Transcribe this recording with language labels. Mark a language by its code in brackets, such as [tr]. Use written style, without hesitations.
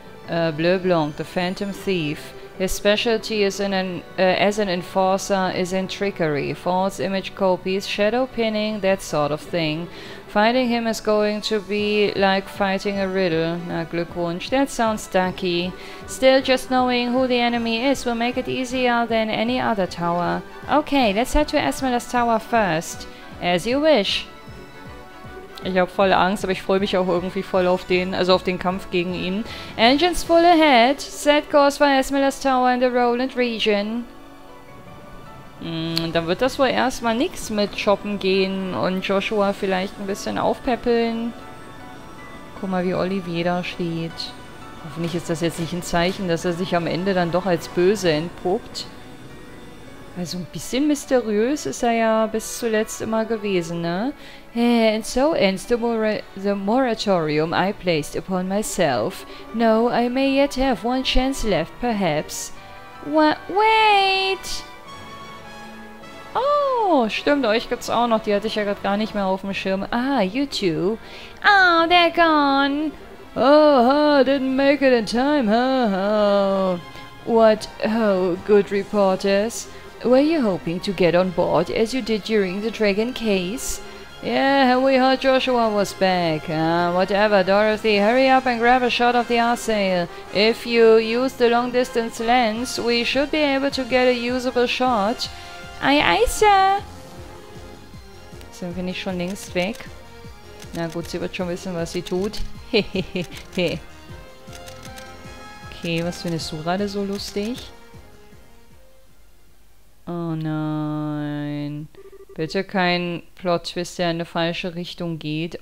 [en] Bleu Blanc, the phantom thief. His specialty is as an enforcer is in trickery, false image copies, shadow pinning, that sort of thing. Fighting him is going to be like fighting a riddle. Glückwunsch, that sounds ducky. Still, just knowing who the enemy is will make it easier than any other tower. Okay, let's head to Esmela's tower first. As you wish. [de] Ich hab voll Angst, aber ich freue mich auch irgendwie voll auf den, also auf den Kampf gegen ihn. [en] Engines full ahead. Set course for Esmela's tower in the Roland region. [de] Dann wird das wohl erstmal nichts mit shoppen gehen und Joshua vielleicht ein bisschen aufpäppeln. Guck mal, wie Olivier da steht. Hoffentlich ist das jetzt nicht ein Zeichen, dass er sich am Ende dann doch als böse entpuppt. Also ein bisschen mysteriös ist er ja bis zuletzt immer gewesen, ne? [en] And so ends the moratorium I placed upon myself. No, I may yet have one chance left, perhaps. Wait! [de] Oh, stimmt, euch gibt's auch noch. Die hatte ich ja gerade gar nicht mehr auf dem Schirm. [en] Ah, you two. Oh, they're gone. Oh, didn't make it in time, huh? What, oh, good reporters. Were you hoping to get on board as you did during the dragon case? Yeah, we heard Joshua was back. Whatever, Dorothy, hurry up and grab a shot of the R-sail. If you use the long-distance lens, we should be able to get a usable shot. Aye, aye, sir. [de] Sind wir nicht schon längst weg? Na gut, sie wird schon wissen, was sie tut. Okay, was findest du gerade so lustig? Oh nein. Bitte kein Plot-Twist, der in eine falsche Richtung geht.